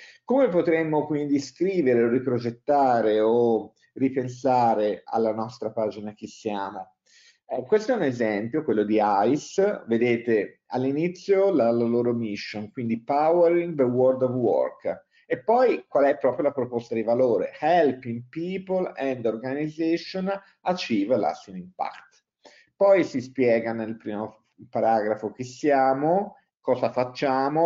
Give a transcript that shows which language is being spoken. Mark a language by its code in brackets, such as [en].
[it] Come potremmo quindi scrivere, riprogettare o ripensare alla nostra pagina Chi siamo? Questo è un esempio, quello di ICE. Vedete all'inizio la loro mission, quindi [en] powering the world of work. [it] E poi qual è proprio la proposta di valore? [en] Helping people and organization achieve lasting impact. [it] Poi si spiega nel primo paragrafo chi siamo, cosa facciamo.